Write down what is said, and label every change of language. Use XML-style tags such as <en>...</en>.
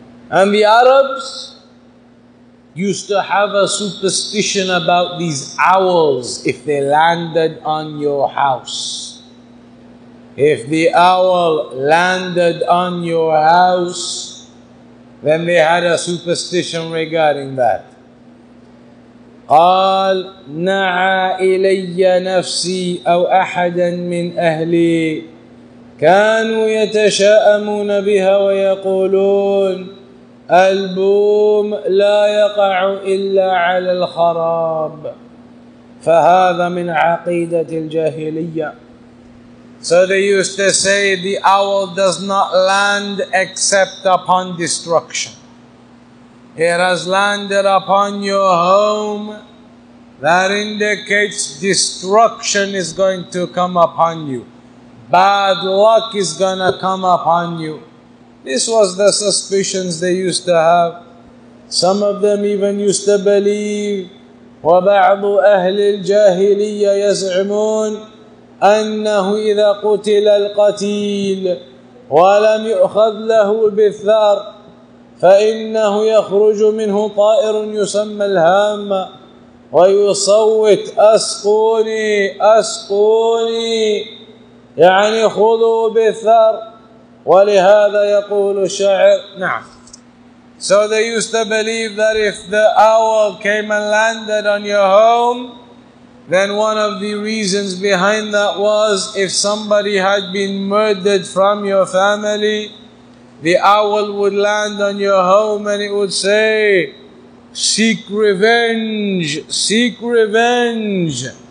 <en>And the Arabs used to have a superstition about these owls if they landed on your house. If the owl landed on your house, then they had a superstition regarding that.</en> <ar>قال نعى إلي نفسي أو أحدا من أهلي كانوا يتشاءمون بها ويقولون البوم لا يقع إلا على الخراب فهذا من عقيدة الجاهلية.</ar> <en>So they used to say the owl does not land except upon destruction. It has landed upon your home. That indicates destruction is going to come upon you. Bad luck is going to come upon you. This was the suspicions they used to have. Some of them even used to believe,</en> <ar>وَبَعْضُ أَهْلِ الْجَاهِلِيَّ يَزْعُمُونَ أَنَّهُ إِذَا قُتِلَ الْقَتِيلُ وَلَمْ يُؤْخَذْ لَهُ بِالثَّارِ فَإِنَّهُ يَخْرُجُ مِنْهُ طَائِرٌ يُسَمَّى الْهَامَّ وَيُصَوِّتْ أَسْقُونِي أَسْقُونِي يعني خُذُوا بِالثَّارِ وَلِهَذَا يَقُولُ الشَّاعِرُ. نعم.</ar> <en>So they used to believe that if the owl came and landed on your home, then one of the reasons behind that was if somebody had been murdered from your family, the owl would land on your home and it would say, seek revenge, seek revenge.</en>